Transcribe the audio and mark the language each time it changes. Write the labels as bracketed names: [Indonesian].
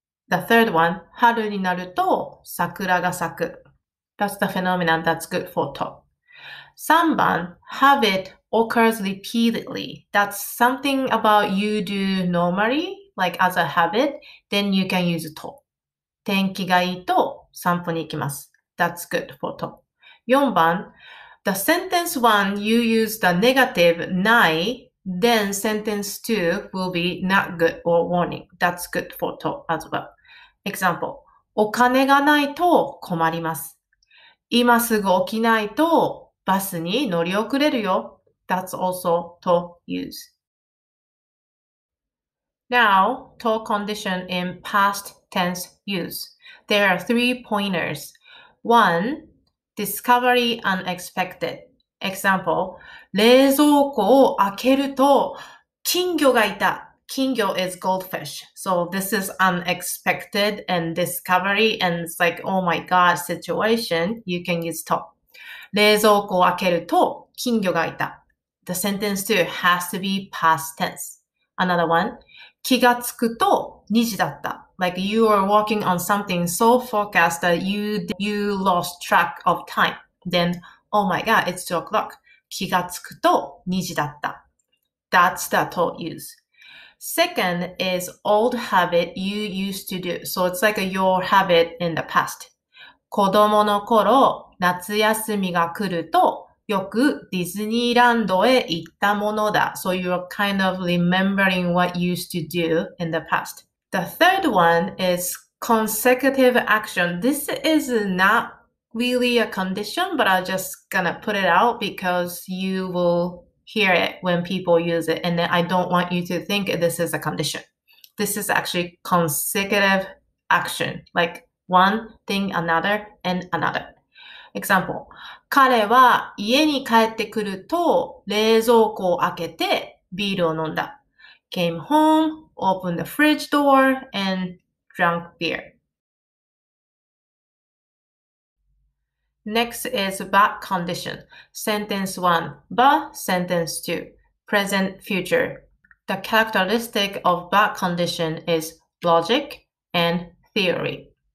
[English] The third one, [Japanese] 春になると桜が咲く。 [English] That's the phenomenon that's good for to. 3番 have itoccurs repeatedly. That's something about you do normally, like as a habit, then you can use to. [Japanese] 天気がいいと散歩に行きます。 [English] That's good for to. 4番 The sentence 1, you use the negative ない, then sentence 2 will be not good or warning. That's good for to as well. [Japanese] Example: お金がないと困ります。今すぐ起きないとバスに乗り遅れるよ。 [English] That's also to use. Now, to condition in past tense use. There are three pointers. One, discovery unexpected. Example: [Japanese] 冷蔵庫を開けると金魚がいた。 [English] 金魚 is goldfish. So this is unexpected and discovery and it's like, oh my god, situation. You can use to. [Japanese] 冷蔵庫を開けると金魚がいた。 [English] The sentence too has to be past tense. Another one. [Japanese] 気がつくと虹だった。 [English] Like you are working on something so focused that you lost track of time. Then, oh my god, it's 2 o'clock. [Japanese] 気がつくと虹だった。 [English] That's the to use. Second is old habit you used to do. So it's like your habit in the past. [Japanese] 子供の頃、夏休みが来ると、よくディズニーランドへ行ったものだ。 [English] So you're kind of remembering what you used to do in the past. The third one is consecutive action. This is not really a condition, but I'm just gonna put it out because you will... hear it when people use it, and then I don't want you to think this is a condition. This is actually consecutive action, like one thing, another, and another. Example: [Japanese] 彼は家に帰ってくると冷蔵庫を開けてビールを飲んだ。 [English] Came home, opened the fridge door, and drank beer. Next is but condition. Sentence 1, but sentence 2, present future. The characteristic of but condition is logic and theory.